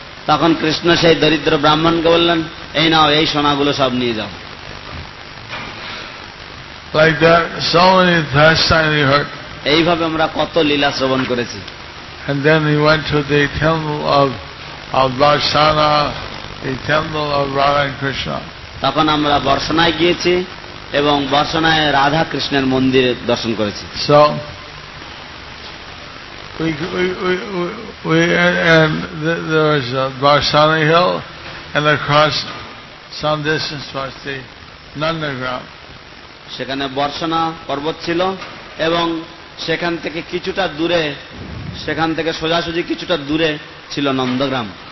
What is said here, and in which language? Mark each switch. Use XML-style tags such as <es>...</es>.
<bn>তখন কৃষ্ণ সেই দরিদ্র ব্রাহ্মণকে বললেন, এই নাও এই সোনাগুলো সব নিয়ে যাও।</bn> <en>Like that, so many pastimes he heard.</en> <bn>এইভাবে আমরা কত লীলা শ্রবণ করেছি।</bn> <en>And then he went to the temple of Varsana, the temple of Radha and Krishna.</en> <bn>তখন আমরা বর্ষনায় গিয়েছি এবং বর্ষনায় রাধা কৃষ্ণের মন্দিরে দর্শন করেছি।</bn> <en>So there was a Varsana hill, and across some distance was the Nandagram.</en> <bn>সেখানে বর্ষণা পর্বত ছিল এবং সেখান থেকে কিছুটা দূরে, সেখান থেকে সোজাসুজি কিছুটা দূরে ছিল নন্দগ্রাম।</bn>